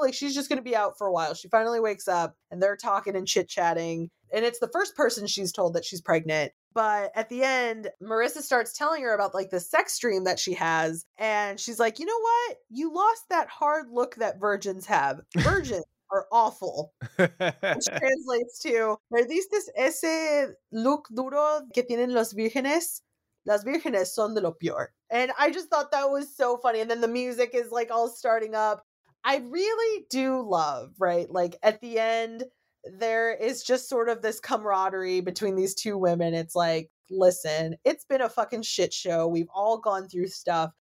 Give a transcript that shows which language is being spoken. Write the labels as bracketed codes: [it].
[en] Like, she's just going to be out for a while. She finally wakes up and they're talking and chit chatting. And it's the first person she's told that she's pregnant. But at the end, Marisa starts telling her about like the sex dream that she has. And she's like, you know what? You lost that hard look that virgins have. Virgins are awful. Which translates to, [es] ¿Perdiste ese look duro que tienen los vírgenes? Las vírgenes son de lo peor. [en] And I just thought that was so funny. And then the music is like all starting up. I really do love, right? Like at the end, there is just sort of this camaraderie between these two women. It's like, listen, it's been a fucking shit show. We've all gone through stuff.